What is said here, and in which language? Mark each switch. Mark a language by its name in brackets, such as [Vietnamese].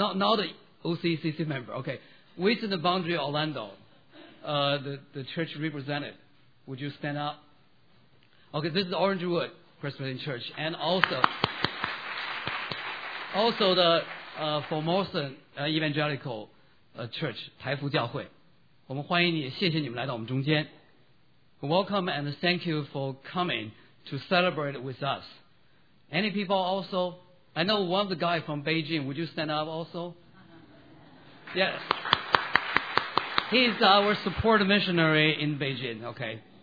[English] Not an OCCC member, okay. Within the boundary of Orlando, the church represented, would you stand up? Okay, this is Orangewood Presbyterian Church, and also the Formosa Evangelical Church, 台福教会. [Chinese] 我们欢迎你, 谢谢你们来到我们中间. [English] Welcome and thank you for coming to celebrate with us. Any people also? I know one of the guys from Beijing. Would you stand up also? Yes. He's our support missionary in Beijing. Okay.